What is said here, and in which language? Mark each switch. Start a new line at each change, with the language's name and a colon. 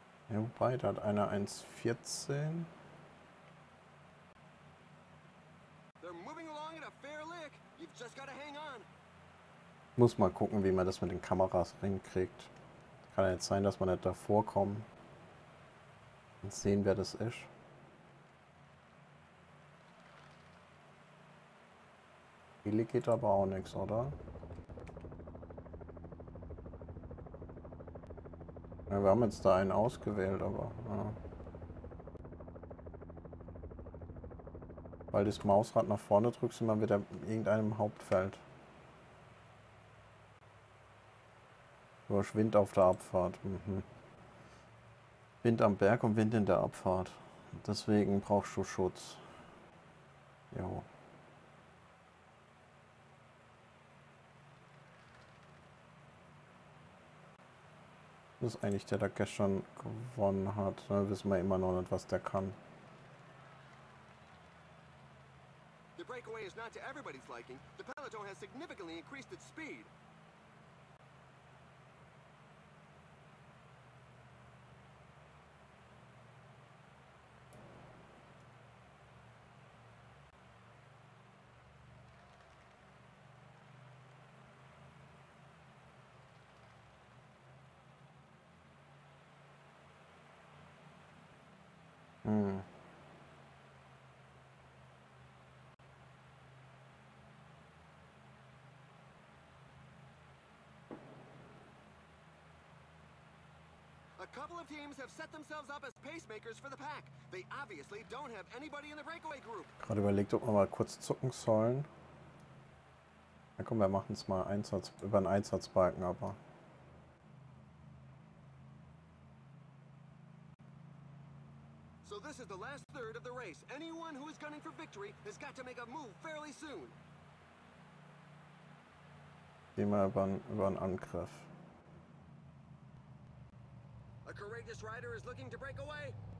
German: Ja, wobei, da hat einer 1,14.
English: They're moving along at a fair lick. You've just gotta hang on.
German: Muss mal gucken, wie man das mit den Kameras hinkriegt. Kann ja jetzt sein, dass wir nicht davor kommen. Und sehen, wer das ist. Hier geht aber auch nichts, oder? Ja, wir haben jetzt da einen ausgewählt, aber. Ja. Weil das Mausrad nach vorne drückst, immer wieder irgendeinem Hauptfeld. Wind auf der Abfahrt. Wind am Berg und Wind in der Abfahrt. Deswegen brauchst du Schutz. Jo. Das ist eigentlich der, der gestern gewonnen hat. Da wissen wir immer noch nicht, was der kann.
English: The breakaway is not to everybody's liking. The peloton has significantly increased its speed. A couple of teams have set themselves up as pacemakers for the pack. They obviously don't have anybody in the breakaway group.
German: Gerade überlegt, ob wir mal kurz zucken sollen. Na komm, wir machen es mal Einsatz, über einen Einsatzbalken, aber.
English: So this is the last third of the race. Anyone who is gunning for victory has got to make a move fairly soon.
German: Geh mal über einen Angriff.
English: A courageous rider is looking to break away.